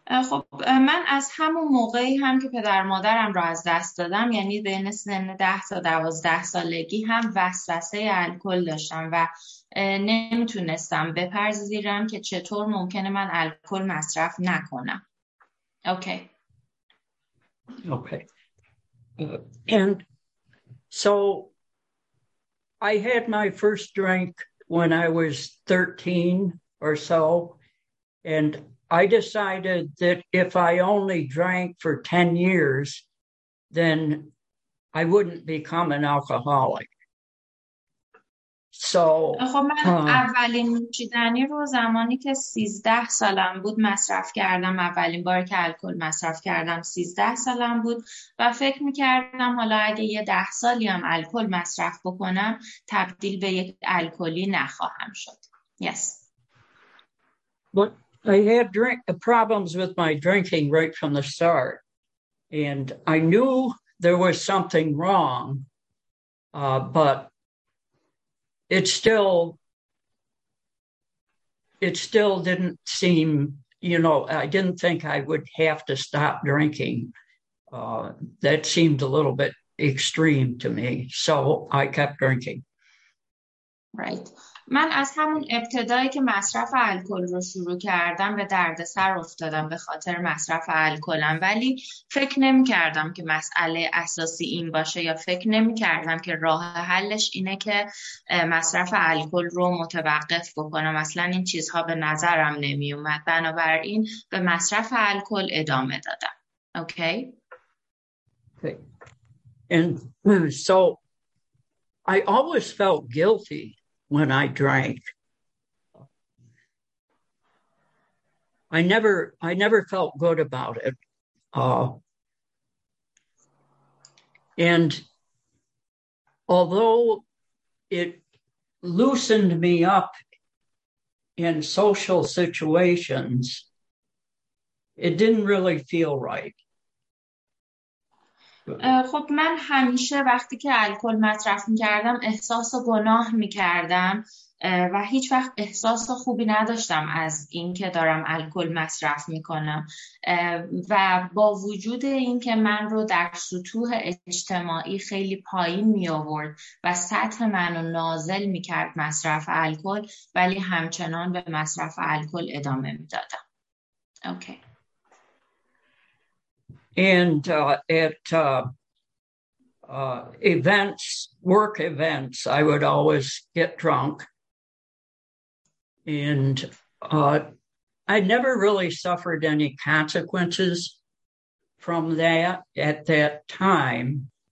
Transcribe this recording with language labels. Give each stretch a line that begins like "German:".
Persian: خب من از همون موقعی هم که پدر مادرم را از دست دادم، یعنی بین سن 10 تا 12 سالگی هم وسوسه الکل داشتم و نمیتونستم بپذیرم که چطور ممکنه من الکل مصرف نکنم.
English: Okay. Okay. And so I had my first drink when I was 13 or so, and I decided that if I only drank for 10 years, then I wouldn't become an alcoholic. So,
Persian: خب من اولین نوشیدنی رو زمانی که 13 سالم بود مصرف کردم. اولین بار که الکل مصرف کردم 13 سالم بود و فکر میکردم حالا اگه یه 10 سالی هم الکل مصرف بکنم تبدیل به یک الکلی نخواهم شد.
English: Yes. But I had problems with my drinking right from the start. And I knew there was something wrong. But It still didn't seem, you know, I didn't think I would have to stop drinking. That seemed a little bit extreme to me, so I kept drinking. Right.
Persian: من از همون ابتدایی که مصرف الکل رو شروع کردم به دردسر افتادم به خاطر مصرف الکلم، ولی فکر نمی کردم که مسئله اساسی این باشه یا فکر نمی کردم که راه حلش اینه که مصرف الکل رو متوقف بکنم. اصلا این چیزها به نظرم نمی اومد، بنابراین به مصرف الکل ادامه دادم.
English: Okay. Okay. And so I always felt guilty when I drank. I never felt good about it. And although it loosened me up in social situations, it didn't really feel right.
Persian: خب من همیشه وقتی که الکل مصرف می‌کردم احساس گناه می‌کردم و هیچ وقت احساس خوبی نداشتم از اینکه دارم الکل مصرف می‌کنم و با وجود اینکه من رو در سطوح اجتماعی خیلی پایین می‌آورد و سطح منو نازل می‌کرد مصرف الکل، ولی همچنان به مصرف الکل ادامه می‌دادم.
English: Okay. And at events, work events, I would always get drunk. And I never really suffered any consequences from that at that time.